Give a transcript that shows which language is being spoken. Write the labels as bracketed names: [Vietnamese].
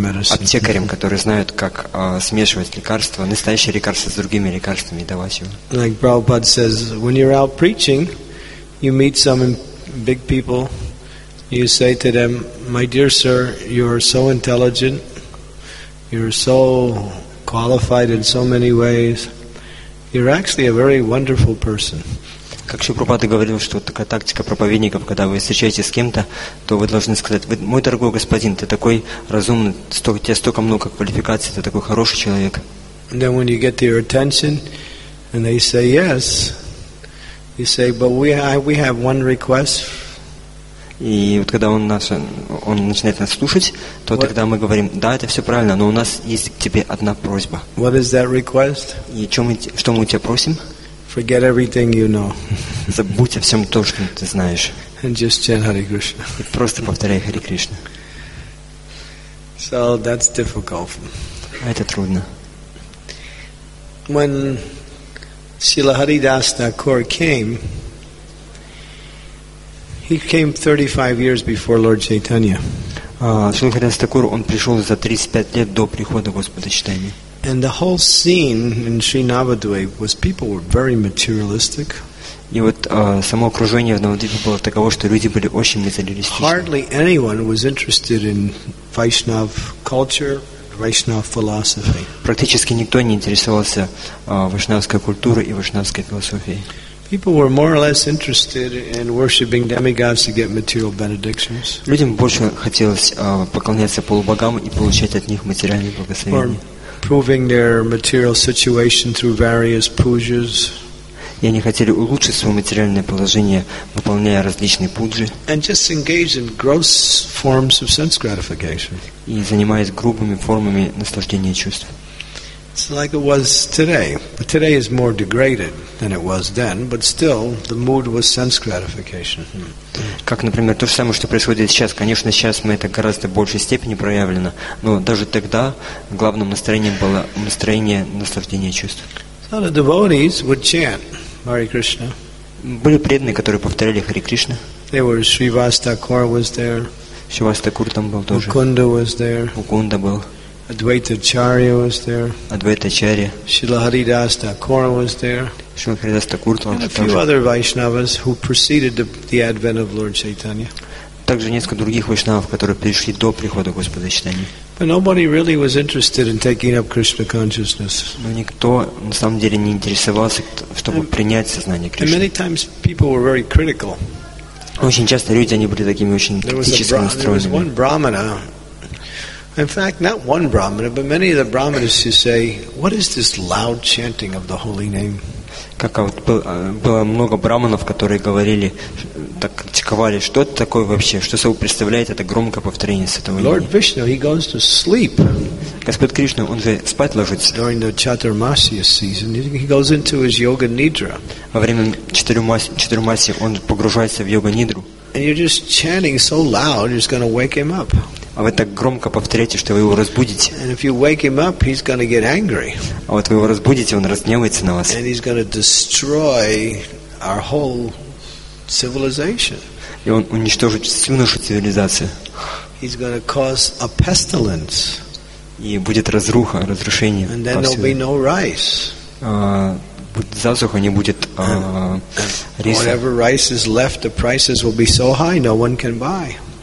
[Russian] аптекарям, которые знают, как смешивать лекарства, настоящие лекарства с другими лекарствами и давать его. [English] Like Prabhupada says, when you're out preaching, you meet some big people. You say to them, my dear sir, you are so intelligent, you are so qualified in so many ways, you're actually a very wonderful person. [Russian] Как Шри Прабхупада говорил, что такая тактика проповедников, когда вы встречаетесь с кем-то, то вы должны сказать, мой дорогой господин, ты такой разумный, у тебя столько много квалификаций, ты такой хороший человек. [English] And then when you get their attention, and they say yes, you say, but we have one request. [Russian] И вот когда он начинает нас слушать, то [English] what? [Russian] Тогда мы говорим, да, это все правильно, но у нас есть к тебе одна просьба. [English] What is that request? [Russian] И что мы у тебя просим? [English] Forget everything you know. [Russian] Забудь о всем том, что ты знаешь. [English] And just chant Hare Krishna. [Russian] И просто повторяй Hare Krishna. [English] So that's difficult. [Russian] Это трудно. [English] When Srila Haridasa Thakur came, he came 35 years before Lord Chaitanya. [Russian] Srila Haridasa Thakur, он пришел за 35 лет до прихода Господа Чайтаньи. [English] And the whole scene in Sri Navadvip was people were very materialistic. [Russian] И вот само окружение в Навадвипе было таково, что люди были очень материалистичны. [English] Hardly anyone was interested in Vaishnav culture, Vaishnav philosophy. [Russian] Практически никто не интересовался вайшнавской культурой и вайшнавской философией. [English] People were more or less interested in worshiping demigods to get material benedictions. [Russian] Людям больше хотелось поклоняться полубогам и получать от них материальные благословения. [English] Proving their material situation through various pujas. [Russian] И они хотели улучшить свое материальное положение, выполняя различные пуджи. [English] And just engage in gross forms of sense gratification. [Russian] И занимаясь грубыми формами наслаждения чувств. [English] It's like it was today. Today is more degraded than it was then, but still the mood was sense gratification. [Russian] Как, например, то же самое, что происходит сейчас. Конечно, сейчас мы это гораздо в большей степени проявлено, но даже тогда главным настроением было настроение наслаждения чувств. [English] So the devotees would chant Hare Krishna. [Russian] Были преданные, которые повторяли Hare Krishna. [English] They were Srivasa Thakur was there. [Russian] Srivasa Thakur там был тоже. [English] Mukunda was there. [Russian] Mukunda был. [English] Advaita Acharya was there. [Russian] Advaita Acharya. [English] Srila Haridasa Thakur was there. Srila Haridasa Thakur was there. And a few other Vaishnavas who preceded the advent of Lord Chaitanya. [Russian] Также несколько других вайшнавов, которые пришли до прихода Господа Чайтаньи. [English] But nobody really was interested in taking up Krishna consciousness. [Russian] Но никто на самом деле не интересовался, чтобы принять сознание Кришны. [English] And many times people were very critical. [Russian] Очень часто люди, они были такими очень критически настроенными. [English] There was one Brahmana. In fact, not one Brahmana, but many of the Brahmanas who say, "What is this loud chanting of the holy name?" [Russian] Как вот было много браманов, которые говорили, так критиковали, что это такое вообще, что собой представляет это громкое повторение с этого имени. [English] Lord Vishnu, he goes to sleep. [Russian] Господь Кришна, он же спать ложится. [English] During the Chaturmasya season, he goes into his yoga nidra. [Russian] Во время Чатурмасии он погружается в йога нидру. [English] And you're just chanting so loud, you're just going to wake him up. [Russian] А вы так громко повторяете, что вы его разбудите. [English] And if you wake him up, he's going to get angry. [Russian] А вот вы его разбудите, он разгневается на вас. [English] And he's going to destroy our whole civilization. [Russian] И он уничтожит всю нашу цивилизацию. [English] He's going to cause a pestilence. [Russian] И будет разруха, разрушение. [English] And then there'll be no rice. [Russian] Засуха не будет риса. [English] Whatever rice is left, the prices will be so high, no one can buy.